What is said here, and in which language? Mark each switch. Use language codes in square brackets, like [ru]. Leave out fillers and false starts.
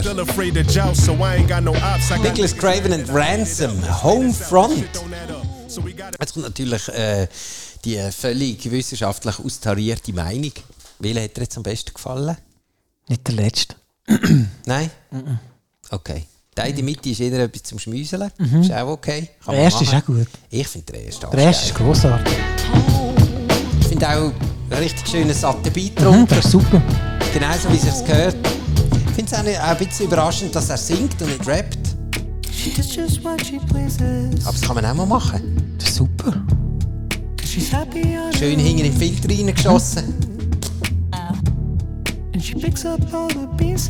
[en] Still afraid to joust, so I ain't got no ops. Nicholas Craven and Ransom, Homefront. [de] Jetzt kommt natürlich die völlig wissenschaftlich austarierte Meinung. Welche hat dir jetzt am besten gefallen? Nicht der letzte. Nein? Okay. Der in der Mitte ist eher etwas zum Schmäuseln. Mhm. Ist auch okay. Kann der erste machen. Ist auch gut. Ich finde den ersten auch. Der erste ist grossartig. Ich finde auch einen richtig schönen satten Beat drunter. Mhm, super. Genau so wie es gehört. Ich finde es auch ein bisschen überraschend, dass er singt und nicht rappt. [en] She does just what she pleases. [de] Aber das kann man auch mal machen. Das ist super. [en] She's happy. [de] Schön hinten im Filter reingeschossen. [en] And she picks up all the pieces.